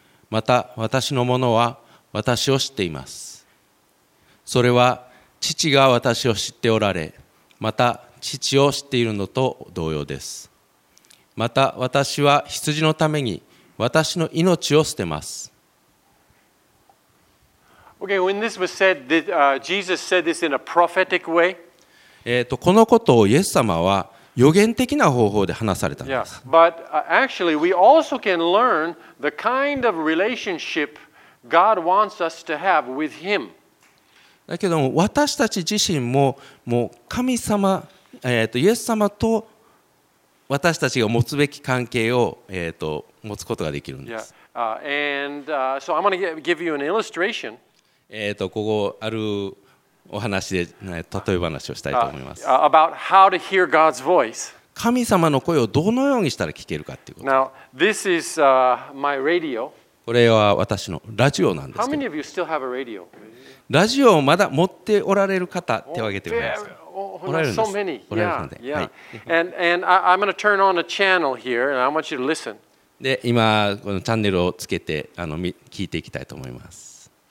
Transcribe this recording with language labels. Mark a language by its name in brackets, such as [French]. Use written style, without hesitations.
[Japanese] また私のものは私を知っています。それは父が私を知っておられ、また父を知っているのと同様です。また私は羊のために私の命を捨てます。 [English] Okay, when this was said, Jesus said this in a prophetic way. [Japanese] このことをイエス様は予言的な方法で話されたんです。 [English] Yeah, but actually, we also can learn the kind of relationship God wants us to have with Him. [Japanese] だけども私たち自身も、もう神様、イエス様と私たちが持つべき関係を、持つことができるんです。 [English] Yeah. So I'm going to give you an illustration. [Japanese] ここあるお話で、ね、例え話をしたいと思います。 [English] About how to hear God's voice. [Japanese] 神様の声をどのようにしたら聞けるかっていうこと。 [English] Now, this is my radio. [Japanese] これは私のラジオなんですけど。 [English] How many of you still have a radio? [Japanese] ラジオをまだ持っておられる方、手を挙げてください。おられるんです。 [English] So many. Yeah. And I'm going to turn on a channel here, and I want you to listen. [Japanese] で、今このチャンネルをつけて聞いていきたいと思います。